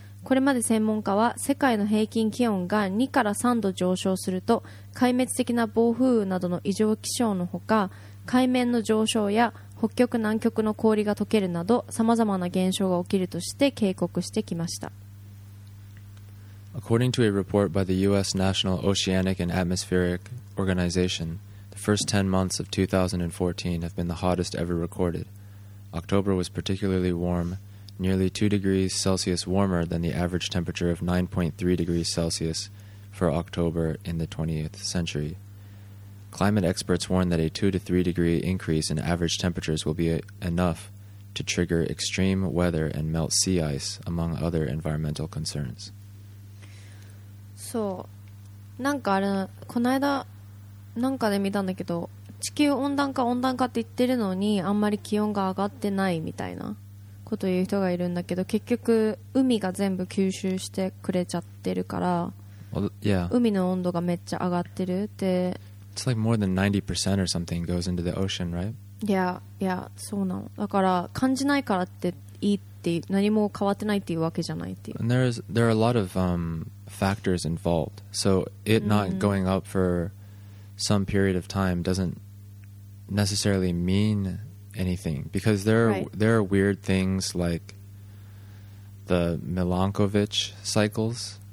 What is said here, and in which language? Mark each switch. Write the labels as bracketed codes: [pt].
[ja] これまで専門家は、世界の平均気温が2から3度上昇すると、壊滅的な暴風雨などの異常気象のほか、海面の上昇や北極南極の氷が溶けるなど、さまざまな現象が起きるとして警告してきました。 [en] According to a report by the U.S. National Oceanic and Atmospheric Organization, the first 10 months of 2014 have been the hottest ever recorded. October was particularly warm, nearly 2 degrees Celsius warmer than the average temperature of 9.3 degrees Celsius for October in the 20th century. Climate experts warn that a 2-3 degree increase in average temperatures will be enough to trigger extreme weather and melt sea ice, among other environmental concerns. [ja] そう、なんかあれ、この間なんかで見たんだけど、地球温暖化温暖化って言ってるのに、あんまり気温が上がってないみたいなことを言う人がいるんだけど、結局海が全部吸収してくれちゃってるから、 [en] well, yeah. [ja] 海の温度がめっちゃ上がってるって。 [en] It's like more than 90% or something goes into the ocean, right? Yeah, yeah, [ja] そうなの。だから感じないからっていいって、何も変わってないっていうわけじゃないっていう。 [en] And there are a lot of factors involved. So it not going up for some period of time doesn't necessarily mean anything. Because there are weird things like the Milankovitch cycles.